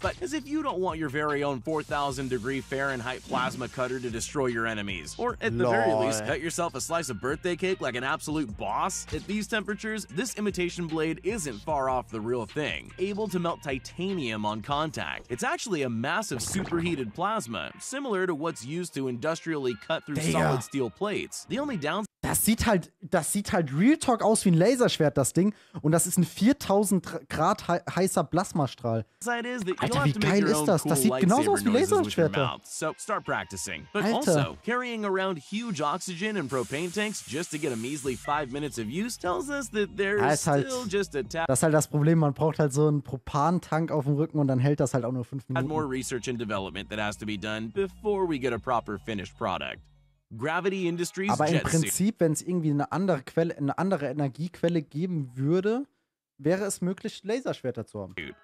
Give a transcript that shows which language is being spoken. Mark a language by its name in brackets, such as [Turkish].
[English] But as if you don't want your very own 4,000 degree Fahrenheit plasma cutter to destroy your enemies, or at the very least cut yourself a slice of birthday cake like an absolute boss. At these temperatures, this imitation blade isn't far off the real thing. Able to melt titanium on contact. It's actually a massive superheated plasma, similar to what's used to industrially cut through solid steel plates. The only downside. [German] Das sieht halt Real Talk aus wie ein Laserschwert, das Ding. Und das ist ein 4000 Grad heißer Plasmastrahl. Alter, wie geil ist das? Das sieht genauso aus wie Laserschwerter. [English] So start practicing. But also, carrying around huge oxygen and propane tanks just to get a measly 5 minutes of use tells us that there's still just a tap. [German] Das ist halt das Problem. Man braucht halt so einen Propantank auf dem Rücken und dann hält das halt auch nur 5 Minuten. [English] Had more research and development that has to be done before we get a proper finished product. Gravity Industries. [German] Aber im Prinzip, wenn es irgendwie eine andere Energiequelle geben würde, wäre es möglich, Laserschwerter zu haben.